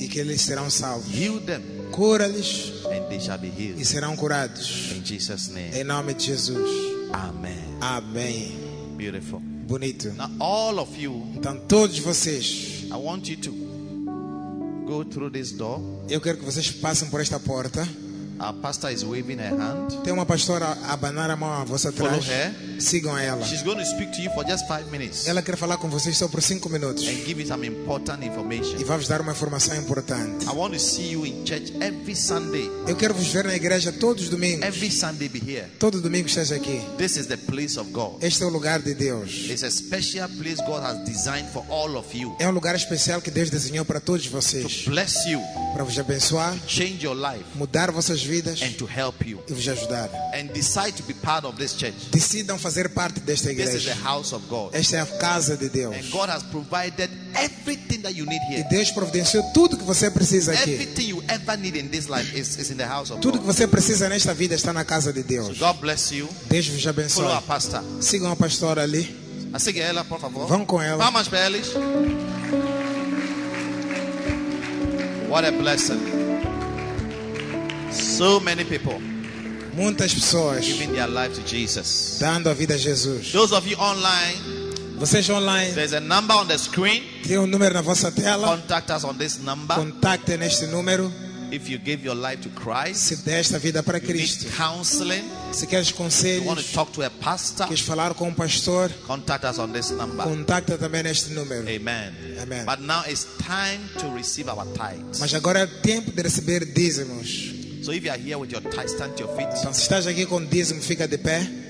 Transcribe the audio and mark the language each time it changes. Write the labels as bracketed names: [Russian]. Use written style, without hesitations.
[Portuguese] E que eles serão salvos. [English] Heal them. [Portuguese] Cura-lhes. [English] And they shall be healed. [Portuguese] E serão curados. [English] In Jesus' name. [Portuguese] Em nome de Jesus. [English] Amen. [Portuguese] Amém. [English] Beautiful. [Portuguese] Bonito. [English] Now all of you. [Portuguese] Então todos vocês. [English] I want you to go through this door. [Portuguese] Eu quero que vocês passem por esta porta. [English] A pastor is waving her hand. [Portuguese] Tem uma pastora a abanar a mão a vossa trás. [English] Follow her. [Portuguese] Sigam ela. [English] She's going to speak to you for just 5 minutes. [Portuguese] Ela quer falar com vocês só por 5 minutos. [English] And give you some important information. [Portuguese] E vai-vos dar uma informação importante. [English] I want to see you in church every Sunday. [Portuguese] Eu quero vos ver na igreja todos os domingos. [English] Every Sunday be here. [Portuguese] Todo domingo esteja aqui. [English] This is the place of God. [Portuguese] Este é o lugar de Deus. [English] It's a special place God has designed for all of you. [Portuguese] É um lugar especial que Deus desenhou para todos vocês. [English] To bless you. [Portuguese] Para vos abençoar. [English] To change your life. [Portuguese] Mudar vossas vidas. [English] And to help you. [Portuguese] E vos ajudar. [English] And decide to be part of this church. [Portuguese] Decidam fazer parte desta igreja. [English] This is the house of God. [Portuguese] Esta é a casa de Deus. [English] And God has provided everything that you need here. [Portuguese] E Deus providenciou tudo que você precisa aqui. [English] Everything you ever need in this life is in the house of [Portuguese] tudo [English] God. [Portuguese] Tudo que você precisa nesta vida está na casa de Deus. [English] So God bless you. [Portuguese] Deus vos abençoe. [English] Follow a pastor. [Portuguese] Sigam a pastora ali. Siga ela, por favor. Vão com ela. Palmas para eles. [English] What a blessing. So many people. [Portuguese] Muitas pessoas [English] giving their life to Jesus. [Portuguese] Dando a vida a Jesus. [English] Those of you online. [Portuguese] Vocês online. [English] There's a number on the screen. [Portuguese] Tem número na vossa tela. [English] Contact us on this number. [Portuguese] Contacte neste número. [English] If you give your life to Christ. [Portuguese] Se deste a vida para [English] you [Portuguese] Cristo. [English] Need counseling. [Portuguese] Se queres conselhos. [English] You want to talk to a pastor. [Portuguese] Queres falar com um pastor. [English] Contact us on this number. [Portuguese] Contacta também neste número. [English] Amen. [Portuguese] Amen. [English] But now it's time to receive our tithes. [Portuguese] Mas agora é tempo de receber dízimos. [English] So if you are here with your tithe, stand to your feet. [Portuguese] Então, se estás aqui com dízimo, fica de pé.